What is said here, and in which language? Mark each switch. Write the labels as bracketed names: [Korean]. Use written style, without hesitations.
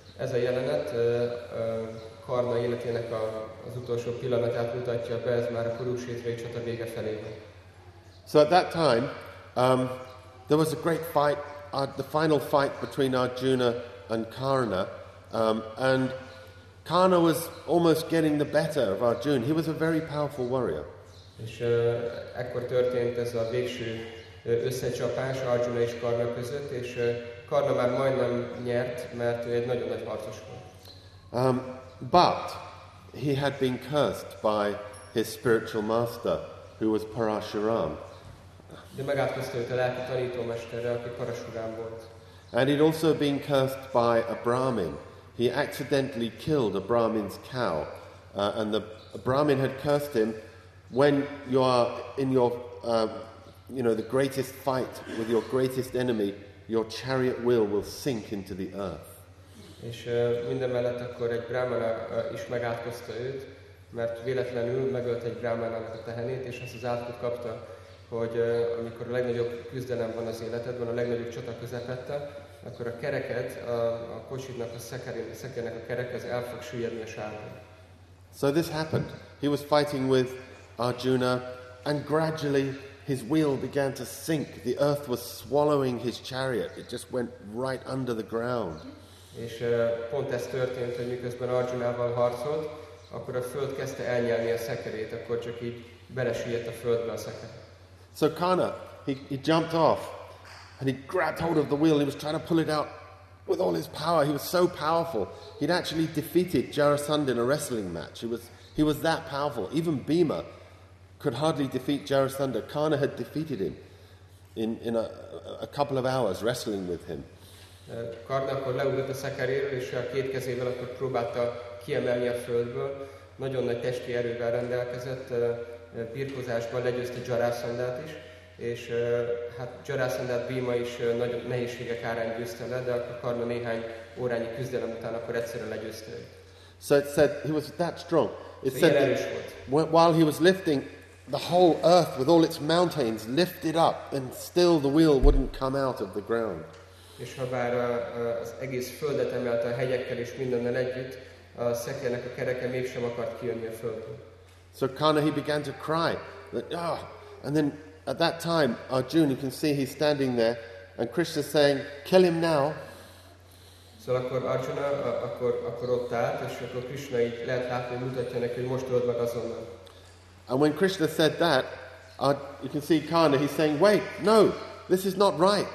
[Hungarian] Ez a jelenet Karna életének az utolsó pillanatát mutatja be, ez már a Kurukshetra csata vége felé. [English] So at that time, there was a great fight, the final fight between Arjuna and Karna, and Karna was almost getting the better of Arjuna. He was a very powerful warrior. [Hungarian] És ekkor történt ez a végső összecsapás Arjuna és Karna között, és Karna már majdnem nyert, mert ő egy nagyon nagy harcos volt. [English] But he had been cursed by his spiritual master, who was Parashuram. [Hungarian] De megátkozta őt a lelki tanítómesterre, aki Parashuram volt. [English] And he'd also been cursed by a Brahmin. He accidentally killed a Brahmin's cow. And the Brahmin had cursed him, when you are in your, the greatest fight with your greatest enemy, your chariot wheel will sink into the earth. [Hungarian] És mindemellett akkor egy Brahmana is megátkozta őt, mert véletlenül megölt egy Brahmanának a tehenét, és ezt az átkot kapta, hogy amikor a legnagyobb küzdelem van az életedben, a legnagyobb csata közepette, akkor a kereket, a kocsidnak, a szekernek a kereke az el fog süllyedni a sárban. [English] So this happened. He was fighting with Arjuna, and gradually his wheel began to sink. The earth was swallowing his chariot. It just went right under the ground. [Hungarian] És pont ez történt, hogy miközben Arjunával harcolt, akkor a föld kezdte elnyelni a szekerét, akkor csak így belesüllyedt a földbe a szeker. [English] So Kana, he jumped off, and he grabbed hold of the wheel, and he was trying to pull it out with all his power. He was so powerful. He'd actually defeated Jarasandha in a wrestling match. He was that powerful. Even Bhima could hardly defeat Jarasandha. Kana had defeated him in a couple of hours wrestling with him. [Hungarian] Karna akkor leugrott a szekeréről, és a két kezével akkor próbálta kiemelni a földből. Nagyon nagy testi erővel rendelkezett, birkózásban legyőzte Jarasandhát is, és hát Jarasandhát Bhima is nagy nehézségek árán győzte le, de akkor Karna néhány órányi küzdelem után akkor egyszerűen legyőzte. [English] So it said he was that strong. It said that while he was lifting, the whole earth with all its mountains lifted up, and still the wheel wouldn't come out of the ground. [Hungarian] És habár az egész földet emelte a hegyekkel és mindennel együtt, a szekernek a kereke mégsem akart kijönni a földből. [English] So Kana, he began to cry, and then at that time Arjuna, you can see he's standing there, and Krishna saying, "Kill him now." [Hungarian] So akkor Arjuna akkor ott állt, és akkor Krishna így lehet látni, mutatja neki, hogy most old meg azonnal. [English] And when Krishna said that, you can see Kana, he's saying, "Wait, no, this is not right.